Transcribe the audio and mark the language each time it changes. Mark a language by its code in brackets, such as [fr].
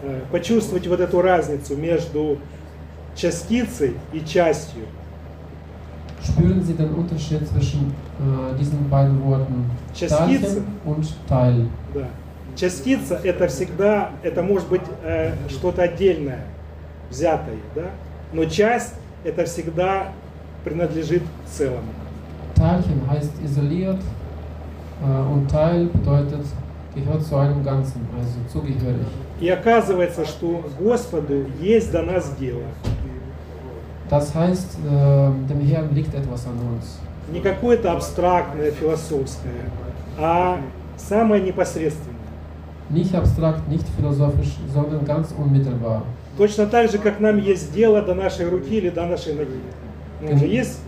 [ru] Почувствовать вот эту разницу между частицей и частью. [de] Spüren Sie den Unterschied zwischen diesen beiden Worten Teilchen und Teil. [ru] Да. Частица это всегда, это может быть что-то отдельное, взятое, да? Но часть это всегда принадлежит целому. [de] Teilchen heißt isoliert und Teil bedeutet gehört zu einem Ganzen, also zugehörig. [ru] И оказывается, что Господу есть до нас дело. [de] Das heißt, dem Herrn liegt etwas an uns. [ru] Не какое-то абстрактное, философское, а самое непосредственное. [de] Nicht abstrakt, nicht philosophisch, sondern ganz unmittelbar. [ru] Точно так же, как нам есть дело до нашей руки или до нашей ноги.